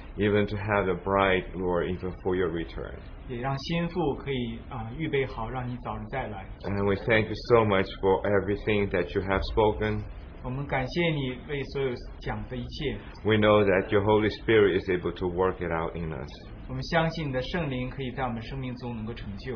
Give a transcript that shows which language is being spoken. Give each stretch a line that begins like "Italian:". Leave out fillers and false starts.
English: Even to have the bride, Lord, even for your return.
Chinese: 也让心腹可以预备好，让你早日再来。
English: And we thank you so much for everything that you have spoken.
Chinese: 我们感谢你为所有讲的一切。
English: We know that your Holy Spirit is able to work it out in us.
Chinese: 我们相信你的圣灵可以在我们生命中能够成就。